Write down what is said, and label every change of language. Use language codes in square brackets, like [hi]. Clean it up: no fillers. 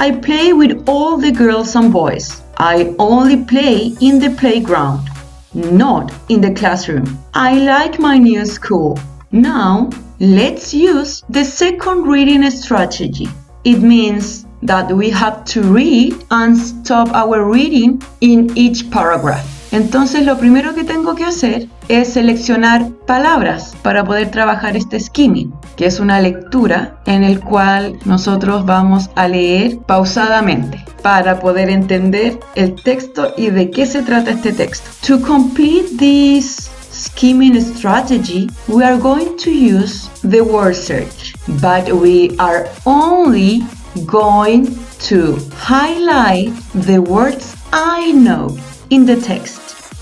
[en] I play with all the girls and boys. I only play in the playground, not in the classroom. I like my new school. Now, let's use the second reading strategy. It means that we have to read and stop our reading in each paragraph. [es] Entonces, lo primero que tengo que hacer es seleccionar palabras para poder trabajar este skimming, que es una lectura en el cual nosotros vamos a leer pausadamente para poder entender el texto y de qué se trata este texto. [en] To complete this skimming strategy, we are going to use the word search, but we are only going to highlight the words I know in the text.